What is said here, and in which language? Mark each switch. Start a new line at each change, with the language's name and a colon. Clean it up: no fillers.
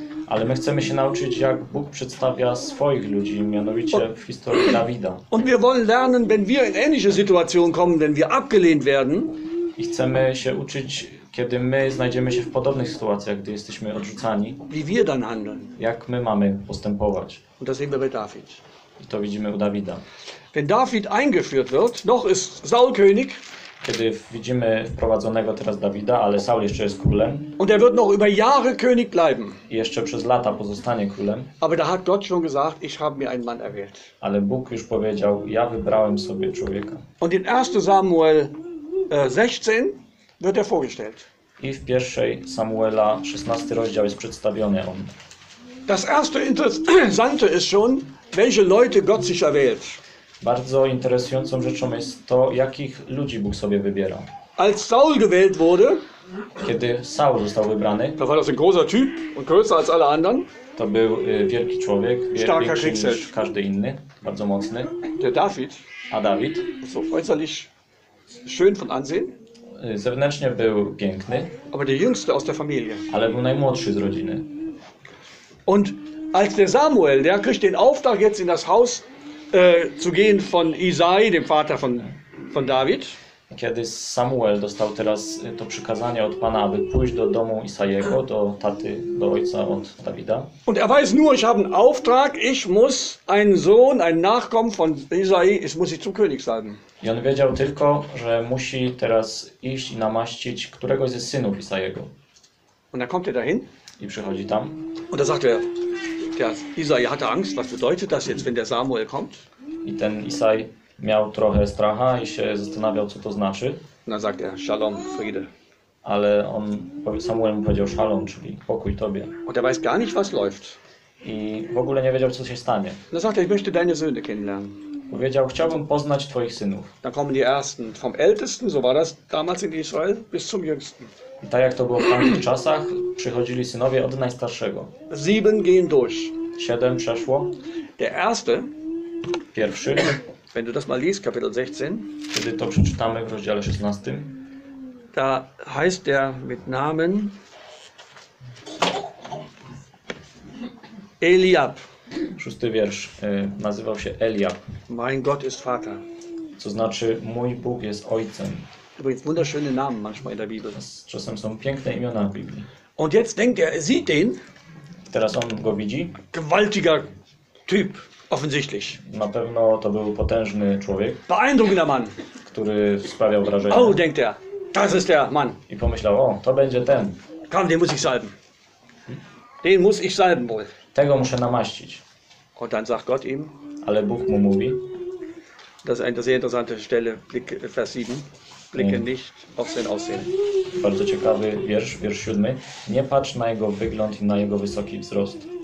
Polish: Ale my chcemy się nauczyć, jak Bóg przedstawia swoich ludzi, mianowicie w historii Dawida.
German: Und wir wollen lernen, wenn wir in ähnliche Situation kommen, wenn wir abgelehnt werden.
Polish: I chcemy się uczyć, kiedy my znajdziemy się w podobnych sytuacjach, gdy jesteśmy odrzucani.
German: Wie wir dann handeln.
Polish: Jak my mamy postępować.
German: Und das sehen wir bei David.
Polish: I to widzimy u Dawida.
German: Wenn David eingeführt wird, noch ist Saul König.
Polish: Kiedy widzimy wprowadzonego teraz Dawida, ale Saul jeszcze jest królem.
German: Und er wird noch über Jahre König bleiben.
Polish: I jeszcze przez lata pozostanie królem.
German: Aber da hat Gott schon gesagt, ich habe mir einen Mann erwählt.
Polish: Ale Bóg już powiedział, ja wybrałem sobie człowieka.
German: Und in 1 Samuel 16 wird er vorgestellt.
Polish: I w 1 Samuela 16 rozdział jest przedstawiony on.
German: Das erste interessante ist schon, welche Leute Gott sich erwählt.
Polish: Bardzo interesującą rzeczą jest to, jakich ludzi Bóg sobie wybiera.
German: Als Saul gewählt wurde,
Polish: kiedy Saul został wybrany,
German: to war das ein großer Typ und größer als alle anderen.
Polish: To był wielki człowiek, większy niż każdy inny, bardzo mocny.
German: Der David.
Polish: A David?
German: So äußerlich schön von Ansehen.
Polish: Zewnętrznie był piękny.
German: Aber der jüngste aus der Familie.
Polish: Ale był najmłodszy z rodziny.
German: Und als der Samuel, der kriegt den Auftrag jetzt in das Haus zu gehen von Isai, dem Vater von David.
Polish: Kiedy Samuel dostał teraz to przykazanie od Pana, aby pójść do domu Isajego, do taty, do ojca od Dawida.
German: Und er weiß nur, ich habe einen Auftrag, ich muss einen Sohn, einen Nachkommen von Isai, ich muss ihn zum König salben.
Polish: I on wiedział tylko, że musi teraz iść i namaścić któregoś ze synów Isajego.
German: Und dann kommt er dahin.
Polish: I przychodzi tam.
German: Und da sagt er, ja, Isai hatte Angst, was bedeutet das jetzt, wenn der Samuel kommt?
Polish: I ten Isai miał trochę stracha i się zastanawiał, co to znaczy.
German: Na sagt er, Shalom, Friede.
Polish: Ale on, Samuel mu powiedział szalom, czyli pokój tobie.
German: Und er weiß gar nicht, was läuft.
Polish: I w ogóle nie wiedział, co się stanie.
German: Er sagte, ich möchte deine Söhne kennenlernen.
Polish: Powiedział, chciałbym poznać twoich synów.
German: Da kommen die ersten, vom ältesten, so war das damals in Israel, bis zum jüngsten.
Polish: I tak jak to było w tamtych czasach, przychodzili synowie od najstarszego.
German: Sieben gehen durch.
Polish: Siedem przeszło.
German: Der erste,
Polish: pierwszy,
German: wenn du das mal liest, Kapitel 16,
Polish: kiedy to przeczytamy w rozdziale 16,
German: da heißt der mit Namen Eliab.
Polish: Szósty wiersz, nazywał się Eliab.
German: Mein Gott ist Vater.
Polish: Co znaczy, mój Bóg jest Ojcem.
German: Übrigens wunderschöne Namen manchmal in der Bibel.
Polish: Czasem są piękne imiona w Biblii.
German: Und jetzt denkt er, sieht den.
Polish: Teraz on go widzi.
German: Gewaltiger Typ, offensichtlich.
Polish: Na pewno to był potężny człowiek.
German: Beeindruckender Mann.
Polish: Który sprawiał wrażenie.
German: Oh, denkt er, das ist der Mann.
Polish: I pomyślał, o, to będzie ten.
German: Komm, den muss ich salben. Den muss ich salben wohl.
Polish: Tego muszę namaścić.
German: Und dann sagt Gott ihm.
Polish: Ale Bóg mu mówi.
German: Das ist eine sehr interessante Stelle, Blick, Vers 7. Blicke nicht auf sein Aussehen.
Polish: Bardzo ciekawy wiersz, wiersz 7. Nie patrz na jego wygląd i na jego wysoki wzrost.